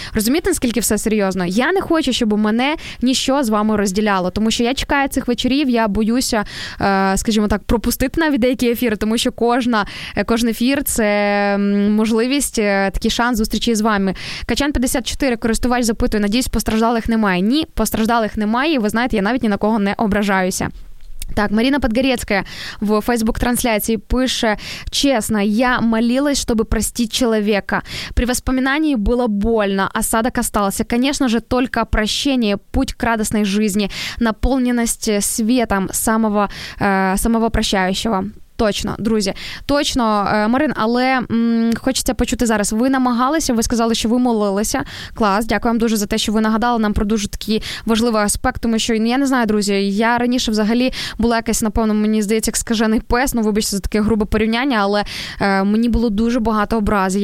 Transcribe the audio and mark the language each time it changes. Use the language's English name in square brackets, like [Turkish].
[Ukrainian] Розумієте, наскільки все серйозно? Я не хочу, щоб мене нічого з вами розділяло, тому що я чекаю цих вечорів, я боюся, скажімо так, пропустити навіть деякі ефіри, тому що кожен ефір – це можливість, такий шанс зустрічі з вами. Качан 54, користувач запитує, надіюсь, постраждалих немає. Ні, постраждалих немає, і ви знаєте, я навіть ні на кого не ображаюся. [Russian] Так, Марина Подгорецкая в Facebook-трансляции пише: «Честно, я молилась, чтобы простить человека. При воспоминании было больно, осадок остался. Конечно же, только прощение, путь к радостной жизни, наполненность светом самого, самого прощающего». [Ukrainian] Точно, друзі, точно, Марин, але хочеться почути зараз. Ви намагалися, ви сказали, що ви молилися. Клас, дякую вам дуже за те, що ви нагадали нам про дуже такий важливий аспект, тому що, я не знаю, друзі, я раніше взагалі була якась, напевно, мені здається, як скажений пес, ну, вибачте за таке грубе порівняння, але мені було дуже багато образ.